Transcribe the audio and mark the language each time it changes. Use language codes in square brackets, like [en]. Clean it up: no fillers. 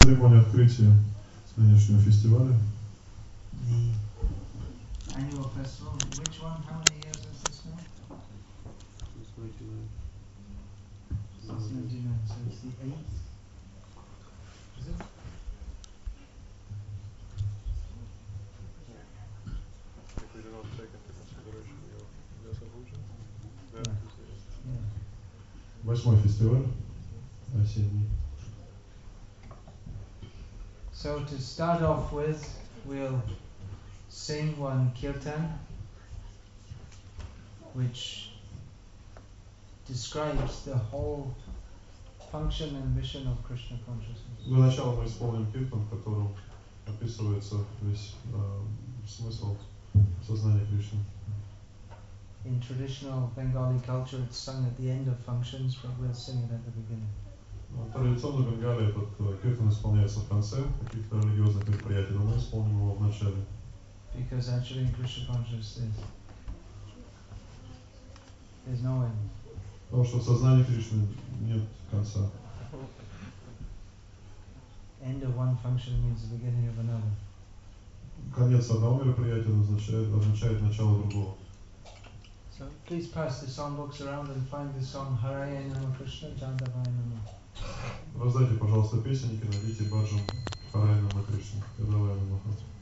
[ru] церемонии открытия нынешнего фестиваля. [en] The annual festival. Which one? How many years is this one? It's 99. It's 99. So it's the 8th. Is it? [ru] Восьмой фестиваль. [en] So to start off with, we'll sing one kirtan, which describes the whole function and mission of Krishna consciousness. [ru] Для начала мы исполним киртан, в котором описывается весь смысл сознания Кришны. [en] In traditional Bengali culture, it's sung at the end of functions, but we'll sing it at the beginning. [ru] Традиционно в Бенгалии этот киртан исполняется в конце каких-то религиозных мероприятий, но мы исполним его в начале. [en] Because actually in Krishna consciousness there's no end. [ru] Потому что в сознании Кришны нет конца. [en] End of one function means the beginning of another. [ru] Конец одного мероприятия означает начало другого. [en] So please pass the song books around and find the song Haraya Nama Krishna Jandavaya Nama. [ru] Раздайте, пожалуйста, песенники, найдите баджан Харай Нама Кришна, Кадавая Нама Хат.